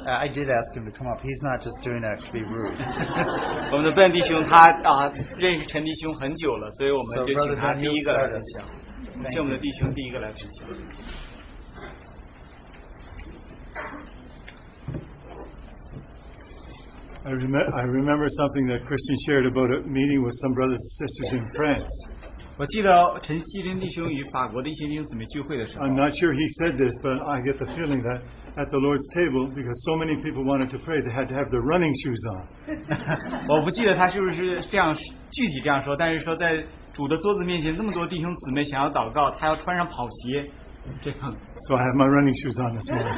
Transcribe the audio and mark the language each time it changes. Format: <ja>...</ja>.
<en>I did ask him to come up. He's not just doing that to be rude.</en> <zh>我们的Ben弟兄他, 认识陈弟兄很久了, 所以我们就请他第一个来分享。请我们的弟兄第一个来分享。</zh> <en>I remember something that Christian shared about a meeting with some brothers and sisters in France. I'm not sure he said this, but I get the feeling that at the Lord's table, because so many people wanted to pray, they had to have their running shoes on.</en> <zh>我不记得他是不是这样具体这样说，但是说在主的桌子面前，那么多弟兄姊妹想要祷告，他要穿上跑鞋。</zh> <en>So I have my running shoes on this morning.</en>